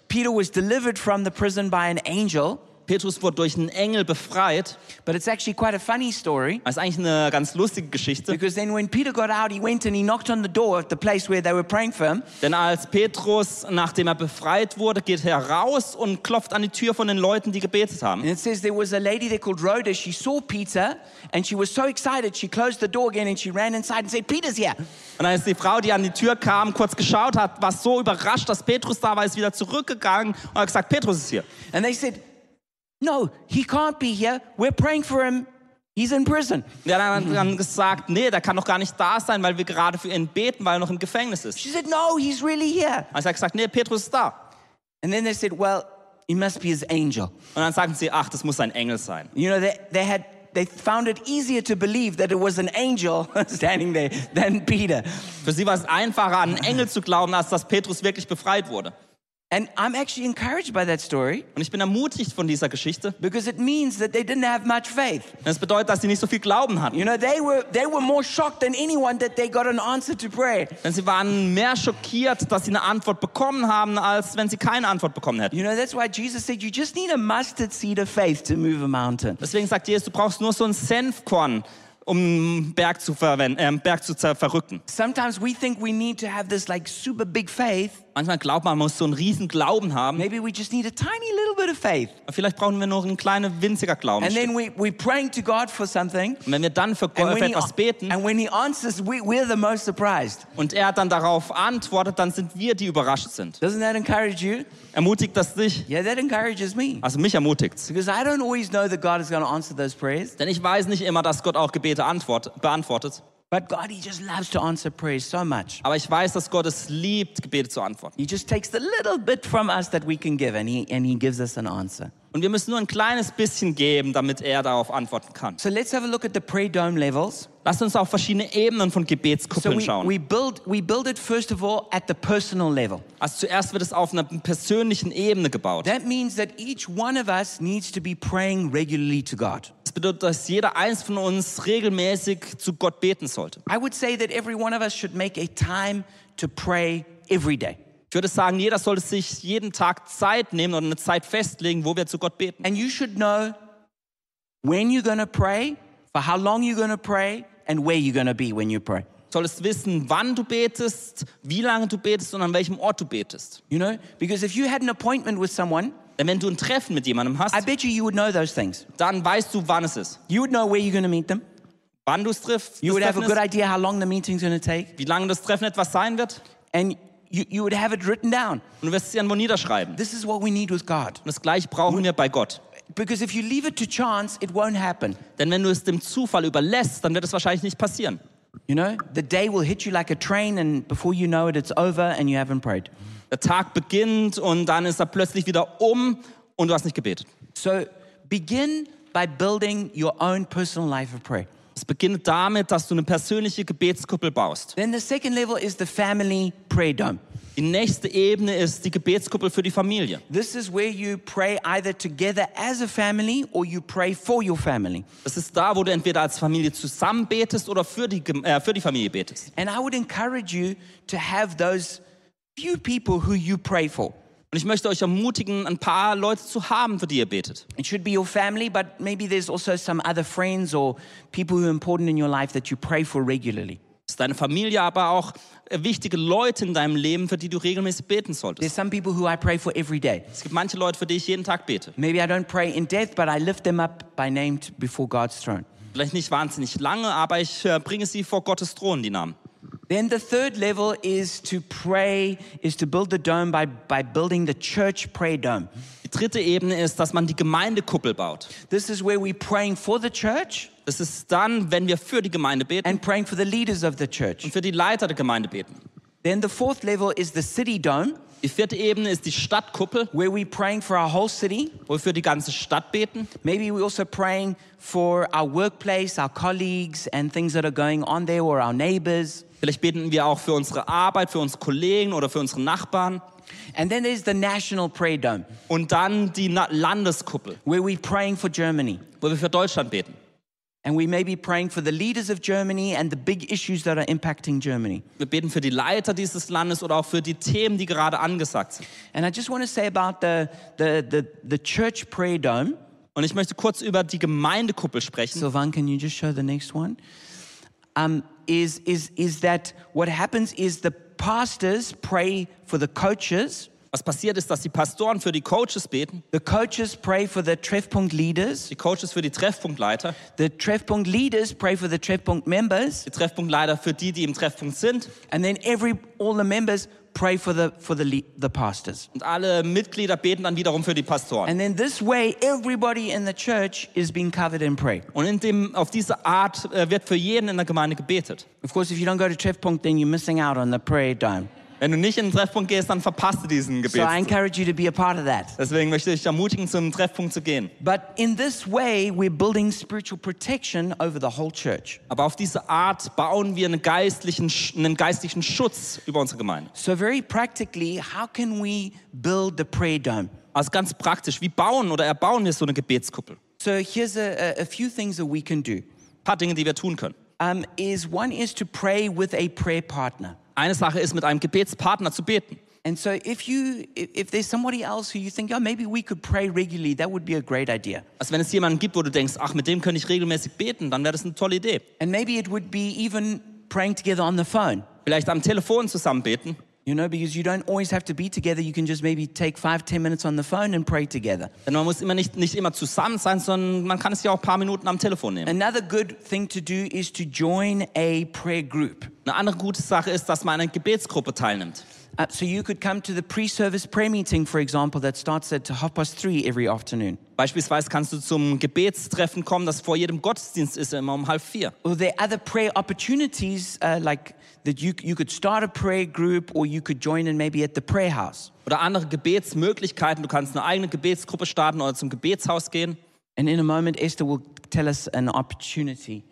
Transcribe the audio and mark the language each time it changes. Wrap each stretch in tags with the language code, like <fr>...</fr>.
<en>Peter was delivered from the prison by an angel.</en> <de>Petrus wurde durch einen Engel befreit.</de> <en>But it's actually quite a funny story.</en> <de>Das ist eigentlich eine ganz lustige Geschichte.</de> <en>Because then when Peter got out, he went and he knocked on the door of the place where they were praying for him.</en> <de>Denn als Petrus, nachdem er befreit wurde, geht heraus und klopft an die Tür von den Leuten, die gebetet haben.</de> <en>And it says there was a lady there called Rhoda. She saw Peter and she was so excited. She closed the door again and she ran inside and said, "Peter's here."</en> <de>Und als die Frau, die an die Tür kam, kurz geschaut hat, war so überrascht, dass Petrus da war, ist wieder zurückgegangen und hat gesagt, Petrus ist hier.</de> <en>And they said, "No, he can't be here. We're praying for him. He's in prison."</en> <de>Ja, dann haben sie gesagt, nee, der kann doch gar nicht da sein, weil wir gerade für ihn beten, weil er noch im Gefängnis ist.</de> <en>She said, "No, he's really here."</en> <de>Und sie hat gesagt, nee, Petrus ist da.</de> <en>And then they said, "Well, he must be his angel."</en> <de>Und dann sagten sie, ach, das muss sein Engel sein.</de> <en>You know, they found it easier to believe that it was an angel standing there than Peter.</en> <de>Für sie war es einfacher, an einen Engel zu glauben, als dass Petrus wirklich befreit wurde.</de> <en>And I'm actually encouraged by that story.</en> <de>Und ich bin ermutigt von dieser Geschichte.</de> <en>Because it means that they didn't have much faith.</en> <de>Das bedeutet, dass sie nicht so viel Glauben hatten.</de> <en>You know, they were more shocked than anyone that they got an answer to prayer.</en> <de>Denn sie waren mehr schockiert, dass sie eine Antwort bekommen haben, als wenn sie keine Antwort bekommen hätten.</de> <en>You know, that's why Jesus said, "You just need a mustard seed of faith to move a mountain."</en> <de>Deswegen sagt Jesus, du brauchst nur so ein Senfkorn, um Berg zu verrücken.</de> <en>Sometimes we think we need to have this like super big faith.</en> <de>Manchmal glaubt man, man muss so einen riesen Glauben haben.</de> <en>Maybe we just need a tiny little bit of faith.</en> <de>Vielleicht brauchen wir noch einen kleinen winziger Glauben.</de> <en>And then we praying to God for something.</en> <de>Und wenn wir dann für Gott etwas beten.</de> <en>And when he answers, we're the most surprised.</en> <de>Und er dann darauf antwortet, dann sind wir die überrascht sind.</de> <en>Doesn't that encourage you?</en> <de>Ermutigt das dich?</de> <en>Yeah, that encourages me.</en> <de>Also mich ermutigt's.</de> <en>Because I don't always know that God is going to answer those prayers.</en> <de>Denn ich weiß nicht immer, dass Gott auch Gebete beantwortet.</de> <en>But God, he just loves to answer prayers so much.</en> <de>Aber ich weiß, dass Gott es liebt, Gebete zu antworten.</de> <en>He just takes the little bit from us that we can give, and he gives us an answer.</en> <de>Und wir müssen nur ein kleines bisschen geben, damit er darauf antworten kann.</de> <en>So let's have a look at the prayer dome levels.</en> <de>Lass uns auf verschiedene Ebenen von Gebetskuppeln schauen.</de> <en>We build it first of all at the personal level.</en> <de>Also zuerst wird es auf einer persönlichen Ebene gebaut.</de> <en>That means that each one of us needs to be praying regularly to God.</en> <de>Das bedeutet, dass jeder eins von uns regelmäßig zu Gott beten sollte.</de> <en>I would say that every one of us should make a time to pray every day.</en> <de>Ich würde sagen, jeder sollte sich jeden Tag Zeit nehmen oder eine Zeit festlegen, wo wir zu Gott beten.</de> <en>And you should know when you're going to pray, for how long you're going to pray and where you're going to be when you pray.</en> <de>Sollst wissen, wann du betest, wie lange du betest und an welchem Ort du betest.</de> <en>You know, because if you had an appointment with someone,</en> <de>denn wenn du ein Treffen mit jemandem hast,</de> <en>I bet you would know those things.</en> <de>Dann weißt du, wann es ist.</de> <en>You would know where you're going to meet them.</en> <de>Wann du es triffst.</de> <en>You would have a good idea how long the meeting's going to take.</en> <de>Wie lange das Treffen etwas sein wird.</de> <en>And you would have it written down.</en> <de>Und du wirst es irgendwo niederschreiben.</de> <en>This is what we need with God.</en> <de>Und das gleiche brauchen wir bei Gott.</de> <en>Because if you leave it to chance, it won't happen.</en> <de>Denn wenn du es dem Zufall überlässt, dann wird es wahrscheinlich nicht passieren.</de> <en>You know, the day will hit you like a train and before you know it, it's over and you haven't prayed.</en> <de>Der Tag beginnt und dann ist er plötzlich wieder um und du hast nicht gebetet.</de> <en>So begin by building your own personal life of prayer.</en> <de>Es beginnt damit, dass du eine persönliche Gebetskuppel baust.</de> <en>Then the second level is the family prayer dome.</en> <de>Die nächste Ebene ist die Gebetskuppel für die Familie.</de> <en>This is where you pray either together as a family or you pray for your family.</en> <de>Das ist da, wo du entweder als Familie zusammen betest oder für die Familie betest.</de> <en>And I would encourage you to have those few people who you pray for.</en> <de>Und ich möchte euch ermutigen, ein paar Leute zu haben, für die ihr betet.</de> <en>It should be your family, but maybe there's also some other friends or people who are important in your life that you pray for regularly.</en> <de>Es ist deine Familie, aber auch wichtige Leute in deinem Leben, für die du regelmäßig beten solltest.</de> <en>There's some people who I pray for every day.</en> <de>Es gibt manche Leute, für die ich jeden Tag bete.</de> <en>Maybe I don't pray in depth, but I lift them up by name before God's throne.</en> <de>Vielleicht nicht wahnsinnig lange, aber ich bringe sie vor Gottes Thron, die Namen.</de> <en>Then the third level is to pray, is to build the dome by building the church prayer dome.</en> <de>Die dritte Ebene ist, dass man die Gemeindekuppel baut.</de> <en>This is where we're praying for the church.</en> <de>Das ist dann, wenn wir für die Gemeinde beten.</de> <en>And praying for the leaders of the church.</en> <de>Und für die Leiter der Gemeinde beten.</de> <en>Then the fourth level is the city dome.</en> <de>Die vierte Ebene ist die Stadtkuppel,</de> <en>where we praying for our whole city,</en> <de>wo wir für die ganze Stadt beten.</de> <en>Maybe we also praying for our workplace, our colleagues and things that are going on there or our neighbors.</en> <de>Vielleicht beten wir auch für unsere Arbeit, für unsere Kollegen oder für unsere Nachbarn.</de> <en>And then there's the national prayer dome.</en> <de>Und dann die Landeskuppel,</de> <en>where we praying for Germany,</en> <de>wo wir für Deutschland beten.</de> <en>And we may be praying for the leaders of Germany and the big issues that are impacting Germany.</en> <de>Wir beten für die Leiter dieses Landes oder auch für die Themen, die gerade angesagt sind.</de> <en>And I just want to say about the church prayer dome.</en> <de>Und ich möchte kurz über die Gemeindekuppel sprechen.</de> <en>So, Van, can you just show the next one? Is that what happens is the pastors pray for the coaches.</en> <de>Was passiert ist, dass die Pastoren für die Coaches beten.</de> <en>The coaches pray for the Treffpunkt leaders.</en> <de>Die Coaches für die Treffpunktleiter.</de> <en>The Treffpunkt leaders pray for the Treffpunkt members.</en> <de>Die Treffpunktleiter für die, die im Treffpunkt sind.</de> <en>And then all the members pray for the pastors.</en> <de>Und alle Mitglieder beten dann wiederum für die Pastoren.</de> <en>And then this way everybody in the church is being covered in prayer.</en> <de>Und auf diese Art wird für jeden in der Gemeinde gebetet.</de> <en>Of course, if you don't go to Treffpunkt, then you're missing out on the prayer dime.</en> <de>Wenn du nicht in den Treffpunkt gehst, dann verpasst du diesen Gebet.</de> <en>So I encourage you to be a part of that.</en> <de>Deswegen möchte ich dich ermutigen, zum Treffpunkt zu gehen.</de> <en>But in this way we're building spiritual protection over the whole church.</en> <de>Aber auf diese Art bauen wir einen geistlichen Schutz über unsere Gemeinde.</de> <en>So very practically, how can we build the prayer dome?</en> <de>Also ganz praktisch, wie bauen oder erbauen wir so eine Gebetskuppel?</de> <en>So here's a few things that we can do.</en> <de>Ein paar Dinge, die wir tun können.</de> <en>One is to pray with a prayer partner.</en> <de>Eine Sache ist, mit einem Gebetspartner zu beten.</de> <en>And so if there's somebody else who you think, oh, maybe we could pray regularly, that would be a great idea.</en> <de>Also wenn es jemanden gibt, wo du denkst, ach, mit dem könnte ich regelmäßig beten, dann wäre das eine tolle Idee.</de> <en>And maybe it would be even praying together on the phone.</en> <de>Vielleicht am Telefon zusammen beten.</de> <en>You know, because you don't always have to be together, you can just maybe take 5-10 minutes on the phone and pray together.</en> <de>Denn man muss immer nicht immer zusammen sein, sondern man kann es ja auch ein paar Minuten am Telefon nehmen.</de> <en>Another good thing to do is to join a prayer group.</en> <de>Eine andere gute Sache ist, dass man an einer Gebetsgruppe teilnimmt.</de> <en>So you could come to the pre-service prayer meeting, for example, that starts at 3:30 every afternoon.</en> <de>Beispielsweise kannst du zum Gebetstreffen kommen, das vor jedem Gottesdienst ist, immer 3:30.</de> <en>Or there are other prayer opportunities, like that you could start a prayer group or you could join in maybe at the prayer house.</en> <de>Oder andere Gebetsmöglichkeiten, du kannst eine eigene Gebetsgruppe starten oder zum Gebetshaus gehen.</de> <en>And in a moment Esther will tell us an opportunity.</en>